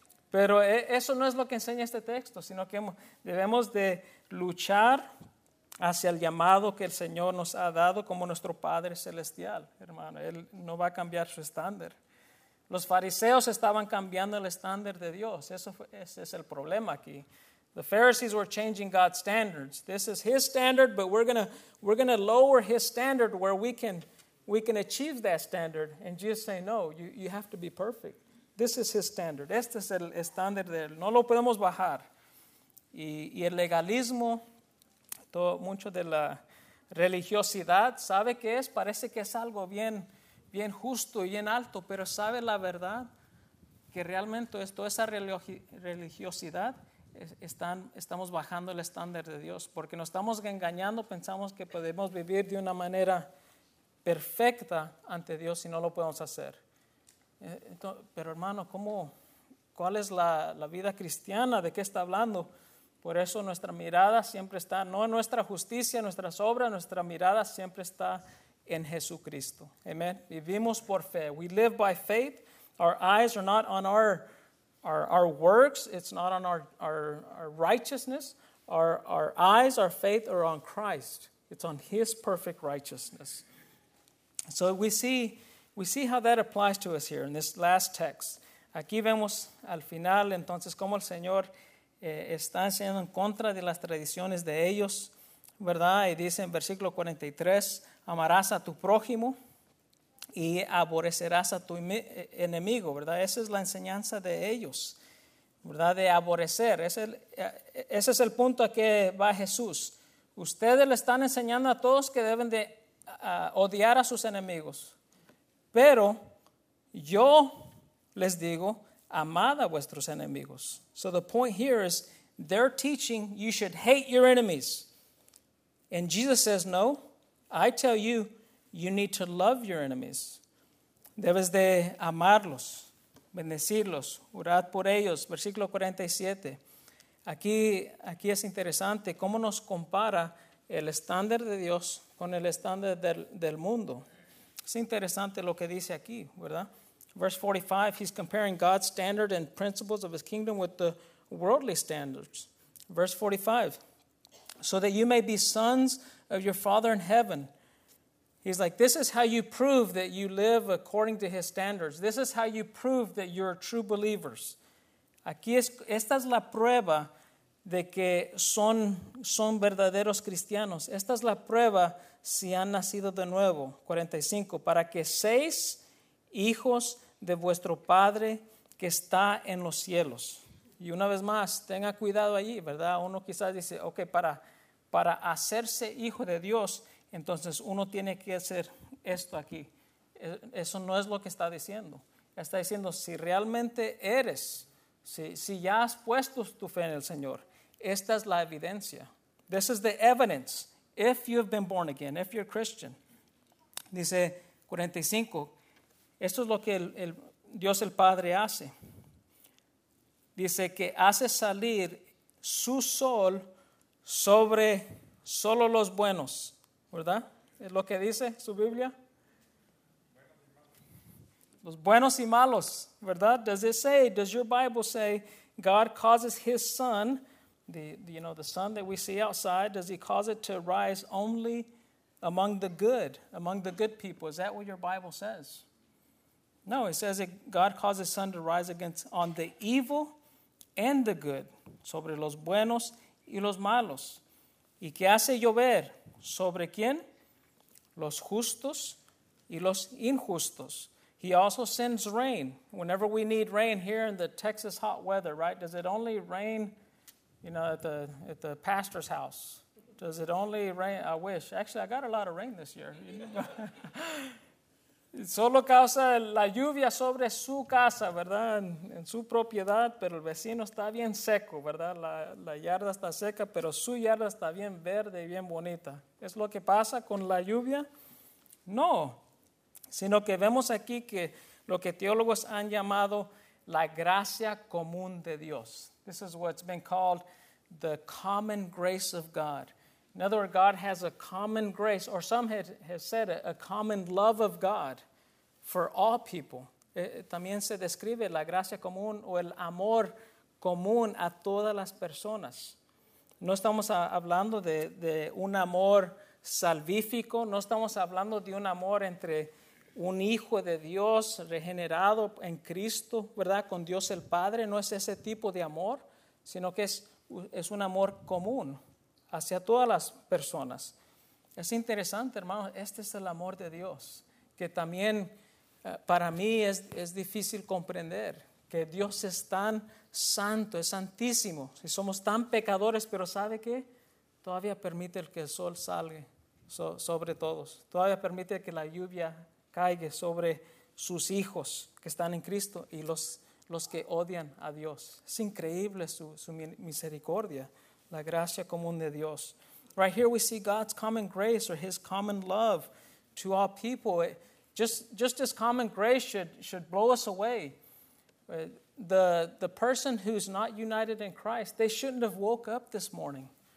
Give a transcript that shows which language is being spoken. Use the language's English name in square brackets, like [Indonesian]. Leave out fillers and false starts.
[Spanish] Pero eso no es lo que enseña este texto, sino que debemos de luchar hacia el llamado que el Señor nos ha dado como nuestro Padre Celestial, hermano. Él no va a cambiar su estándar. Los fariseos estaban cambiando el estándar de Dios. Ese es el problema aquí. [English] The Pharisees were changing God's standards. This is his standard, but we're gonna lower his standard where we can achieve that standard. And Jesus saying, no, you have to be perfect. This is his standard. [Spanish] Este es el estándar de él. No lo podemos bajar. Y el legalismo, mucho de la religiosidad, ¿sabe qué es? Parece que es algo bien, bien justo y bien alto, pero ¿sabe la verdad? Que realmente es toda esa religiosidad, estamos bajando el estándar de Dios, porque nos estamos engañando, pensamos que podemos vivir de una manera perfecta ante Dios y no lo podemos hacer. Pero hermano, ¿cuál es la vida cristiana? ¿De qué está hablando? Por eso nuestra mirada siempre está, no en nuestra justicia, nuestras obras, nuestra mirada siempre está en Jesucristo. Amen. Vivimos por fe. [English] We live by faith. Our eyes are not on our works. It's not on our righteousness. Our eyes, our faith are on Christ. It's on his perfect righteousness. So we see how that applies to us here in this last text. [Spanish] Aquí vemos al final, entonces, cómo el Señor está enseñando en contra de las tradiciones de ellos, ¿verdad? Y dice en versículo 43, amarás a tu prójimo y aborrecerás a tu enemigo, ¿verdad? Esa es la enseñanza de ellos, ¿verdad? De aborrecer. Ese es el punto a que va Jesús. Ustedes le están enseñando a todos que deben de odiar a sus enemigos. Pero yo les digo, amad a vuestros enemigos. [English] So the point here is, they're teaching you should hate your enemies. And Jesus says, no, I tell you, you need to love your enemies. [Spanish] Debes de amarlos, bendecirlos, orad por ellos. Versículo 47. Aquí es interesante cómo nos compara el estándar de Dios con el estándar del mundo. Es interesante lo que dice aquí, ¿verdad? [English] Verse 45, he's comparing God's standard and principles of his kingdom with the worldly standards. Verse 45, so that you may be sons of your Father in heaven. He's like, this is how you prove that you live according to his standards. This is how you prove that you're true believers. [Spanish] Aquí esta es la prueba de que son verdaderos cristianos. Esta es la prueba si han nacido de nuevo. 45, para que seáis hijos de vuestro Padre que está en los cielos. Y una vez más, tenga cuidado allí, ¿verdad? Uno quizás dice, ok, para hacerse hijo de Dios, entonces uno tiene que hacer esto aquí. Eso no es lo que está diciendo. Está diciendo, si realmente eres, si ya has puesto tu fe en el Señor, esta es la evidencia. [English] This is the evidence. If you've been born again, if you're Christian. [Spanish] Dice 45, esto es lo que el Dios el Padre hace. Dice que hace salir su sol sobre solo los buenos, ¿verdad? Es lo que dice su Biblia. Los buenos y malos, ¿verdad? [English] Does your Bible say God causes his sun, the sun that we see outside, does he cause it to rise only among the good, among the good people? Is that what your Bible says? No, it says that God causes his sun to rise against on the evil and the good, [Spanish] sobre los buenos y los malos. ¿Y qué hace llover? ¿Sobre quién? Los justos y los injustos. [English] He also sends rain. Whenever we need rain here in the Texas hot weather, right? Does it only rain, at the pastor's house? Does it only rain? I wish. Actually, I got a lot of rain this year. [Spanish] Solo causa la lluvia sobre su casa, ¿verdad? En su propiedad, pero el vecino está bien seco, ¿verdad? La yarda está seca, pero su yarda está bien verde y bien bonita. ¿Es lo que pasa con la lluvia? No, sino que vemos aquí que lo que teólogos han llamado la gracia común de Dios. [English] This is what's been called the common grace of God. In other words, God has a common grace, or some have said it, a common love of God for all people. [Spanish] También se describe la gracia común o el amor común a todas las personas. No estamos hablando de un amor salvífico, no estamos hablando de un amor entre un hijo de Dios regenerado en Cristo, ¿verdad? Con Dios el Padre, no es ese tipo de amor, sino que es un amor común hacia todas las personas. Es interesante, hermano, este es el amor de Dios, que también para mí es difícil comprender, que Dios es tan santo, es santísimo, si somos tan pecadores, pero ¿sabe qué? Todavía permite que el sol salga sobre todos, todavía permite que la lluvia caiga sobre sus hijos que están en Cristo y los que odian a Dios. Es increíble su misericordia. La gracia común de Dios. [English] Right here we see God's common grace or his common love to all people. Just this common grace should blow us away. The person who's not united in Christ, they shouldn't have woke up this morning.